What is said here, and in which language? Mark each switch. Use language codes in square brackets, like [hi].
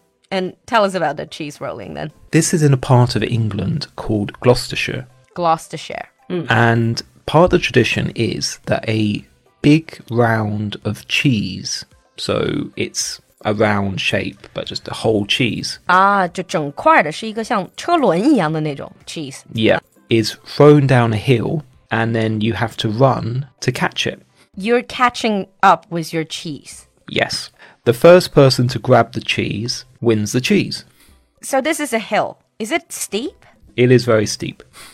[en] And tell us about the cheese rolling then. This is in a part of England called Gloucestershire. And part of the tradition is that a big round of cheese, so it's a round shape, but just a whole cheese. [zh] 就整块的是一个像车轮一样的那种 cheese. [en] Yeah, is thrown down a hill and then you have to run to catch it. You're catching up with your cheese. Yes. The first person to grab the cheese wins the cheese. So this is a hill. Is it steep? It is very steep.